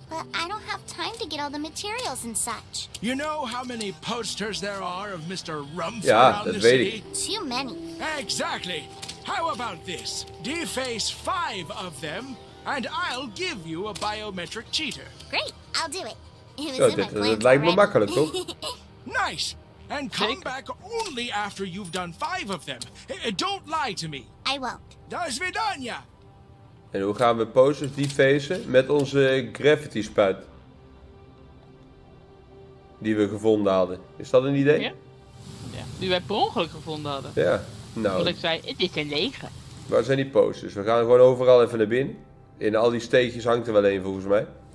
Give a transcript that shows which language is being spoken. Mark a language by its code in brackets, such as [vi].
[en] But I don't have time to get all the materials and such. You know how many posters there are of Mr. Rumpf around the city? Too many. Exactly. How about this? Deface 5 of them, and I'll give you a biometric cheater. Great, I'll do it. [nl] Dat lijkt me makkelijk, toch? [en] Nice. And come back only after you've done 5 of them. Don't lie to me. I won't. Does we done ya? [nl] En hoe gaan we posters defacen met onze gravity spuit die we gevonden hadden? Is dat een idee? Ja. Die wij per ongeluk gevonden hadden. Ja. Nou. Want ik zei, het is een lege. Waar zijn die posters? We gaan gewoon overal even naar binnen. In al die steegjes hangt er wel één volgens mij.